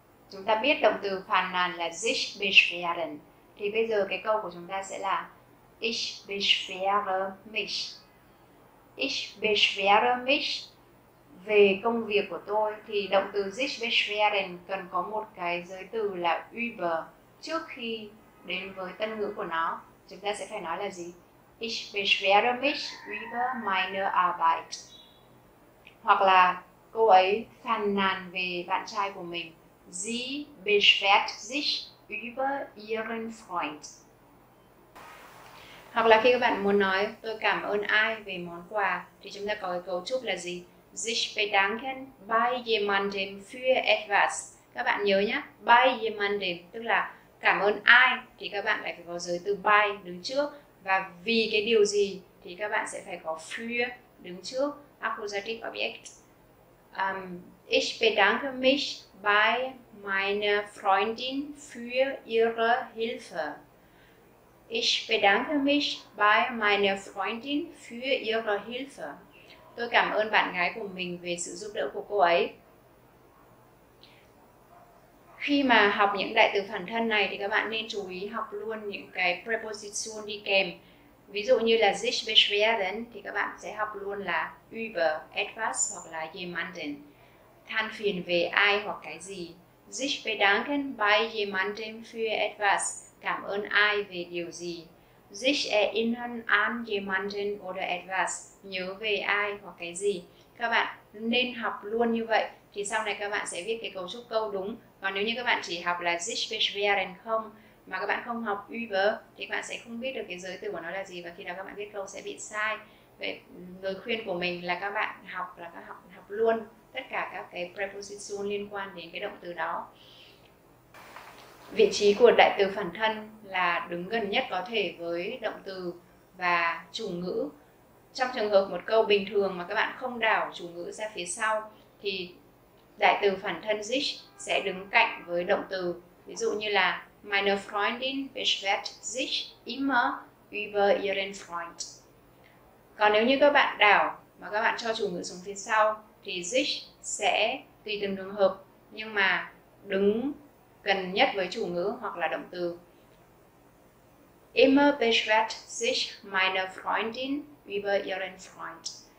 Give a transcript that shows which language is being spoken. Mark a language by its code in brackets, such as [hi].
[vi] Chúng ta biết động từ phàn nàn là [de] sich beschweren. [vi] Thì bây giờ cái câu của chúng ta sẽ là [de] ich beschwere mich. Ich beschwere mich [vi] về công việc của tôi thì động từ [de] sich beschweren [vi] cần có một cái giới từ là über trước khi đến với tân ngữ của nó. Chúng ta sẽ phải nói là gì? [de] Ich beschwere mich über meine Arbeit. [vi] Hoặc là cô ấy phàn nàn về bạn trai của mình. [de] Sie beschwert sich über ihren Freund. [vi] Hoặc là khi các bạn muốn nói tôi cảm ơn ai về món quà thì chúng ta có cái cấu trúc là gì? [de] Sich bedanken bei jemandem für etwas. [vi] Các bạn nhớ nhé, [de] bei jemandem [vi] tức là cảm ơn ai thì các bạn lại phải có giới từ bei đứng trước, và vì cái điều gì thì các bạn sẽ phải có für đứng trước, [en] accusative object. [de] Ich bedanke mich bei meiner Freundin für ihre Hilfe. Ich bedanke mich bei meiner Freundin für ihre Hilfe. [vi] Tôi cảm ơn bạn gái của mình về sự giúp đỡ của cô ấy. Khi mà học những đại từ phản thân này thì các bạn nên chú ý học luôn những cái preposition đi kèm. Ví dụ như là [de] sich beschweren [vi] thì các bạn sẽ học luôn là [de] über etwas [vi] hoặc là jemanden. Than phiền về ai hoặc cái gì. [de] Sich bedanken bei jemandem für etwas. [vi] Cảm ơn ai về điều gì. [de] Sich erinnern an jemanden oder etwas. [vi] Nhớ về ai hoặc cái gì. Các bạn nên học luôn như vậy thì sau này các bạn sẽ viết cái cấu trúc câu đúng. Còn nếu như các bạn chỉ học là [de] sich beschweren [vi] không mà các bạn không học über thì các bạn sẽ không biết được cái giới từ của nó là gì, và khi nào các bạn viết câu sẽ bị sai. Vậy lời khuyên của mình là các bạn học là các học học luôn tất cả các cái preposition liên quan đến cái động từ đó. Vị trí của đại từ phản thân là đứng gần nhất có thể với động từ và chủ ngữ. Trong trường hợp một câu bình thường mà các bạn không đảo chủ ngữ ra phía sau thì đại từ phản thân sich sẽ đứng cạnh với động từ. Ví dụ như là [de] meine Freundin beschwert sich immer über ihren Freund. [vi] Còn nếu như các bạn đảo mà các bạn cho chủ ngữ xuống phía sau thì sich sẽ tùy từng trường hợp nhưng mà đứng gần nhất với chủ ngữ hoặc là động từ. [de] Immer beschwert sich meine Freundin über ihren Freund.